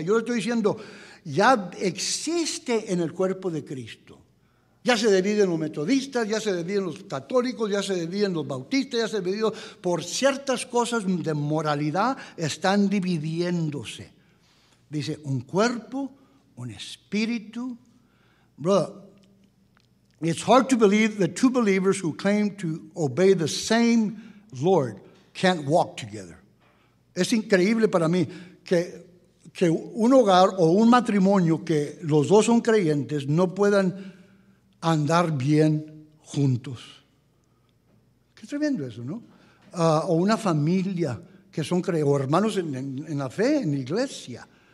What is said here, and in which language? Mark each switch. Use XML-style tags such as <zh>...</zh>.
<es>Yo le estoy diciendo, ya existe en el cuerpo de Cristo. Ya se dividen los metodistas, ya se dividen los católicos, ya se dividen los bautistas, ya se dividen por ciertas cosas de moralidad, están dividiéndose. Dice, un cuerpo, un espíritu.</es> <en>Brother, it's hard to believe that two believers who claim to obey the same Lord can't walk together.</en> <es>Es increíble para mí que un hogar o un matrimonio que los dos son creyentes no puedan andar bien juntos. Qué tremendo eso, ¿no? O una familia que son creyentes, o hermanos en la fe, en la iglesia.</es>